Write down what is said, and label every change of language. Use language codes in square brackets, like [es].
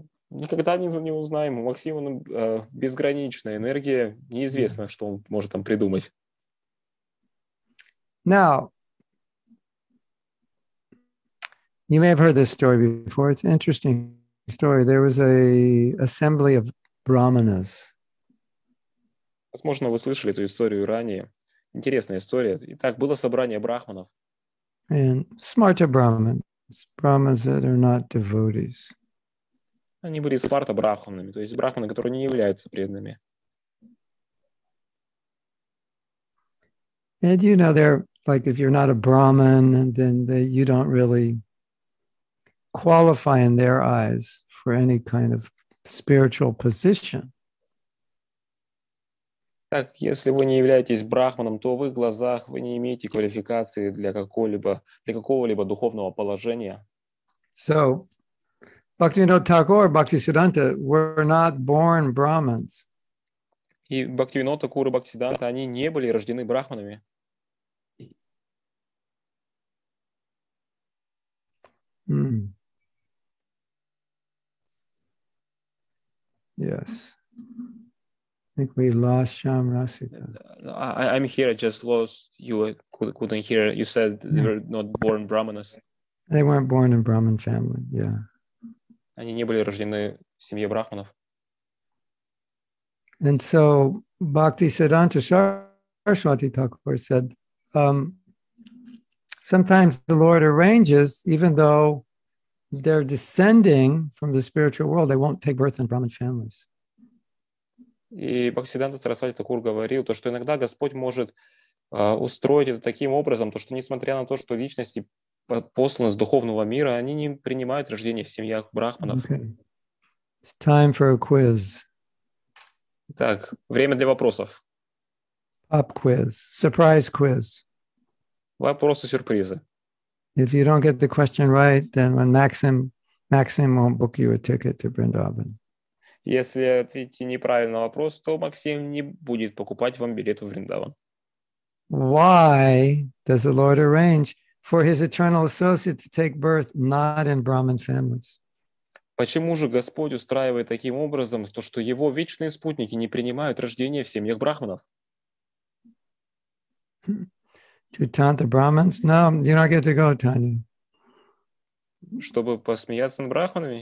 [ru] Никогда не узнаем. У Максима безграничная энергия. Неизвестно, что он может там придумать. [en] Now, you may have heard this story before. It's an interesting story. There was an assembly of brahmanas. [ru] Возможно, вы слышали эту историю ранее. Интересная история. Итак, было собрание брахманов. [en] And smarter brahmins. Brahmins that are not devotees. [ru] Они были смарта-брахманами, то есть брахманы, которые не являются преданными. [en] And you know, they're like, if you're not a brahman, then you don't really qualify in their eyes for any kind of spiritual position. [ru] Так, если вы не являетесь брахманом, то в их глазах вы не имеете квалификации для какого-либо духовного положения. [en] So, Bhaktivinoda Thakur, Bhaktisiddhanta were not born brahmins. [ru] И Бхактивинода Такур и Бхактисиддханта, они не были рождены брахманами. [en] Yes. I think we lost Shyam Rasika. I'm here. I just lost you. Couldn't hear. You said they were not born brahmanas. They weren't born in Brahmin family. Yeah. [ru] Они не были рождены в семье брахманов. [en] And so Bhaktisiddhanta Saraswati Thakur said, sometimes the Lord arranges, even though they're descending from the spiritual world, they won't take birth in Brahmin families. [ru] И Бхактисиддханта Сарасвати Такур говорил, то, что иногда Господь может устроить это таким образом, то, что несмотря на то, что личности посланы с духовного мира, они не принимают рождение в семьях брахманов. [en] Okay. It's time for a quiz. [ru] Так, время для вопросов. [en] Pop quiz. Surprise quiz. [ru] Вопросы-сюрпризы. [en] If you don't get the question right, then when Maxim won't book you a ticket to Vrindavan. [ru] Если ответите неправильно на вопрос, то Максим не будет покупать вам билет в Вриндаван. [en] Why does the Lord arrange for his eternal associate to take birth not in Brahmin families? [ru] Почему же Господь устраивает таким образом то, что его вечные спутники не принимают рождение в семьях брахманов? [en] To taunt the Brahmins? No, you're not going to go, Tanya. [ru] Чтобы посмеяться над брахманами?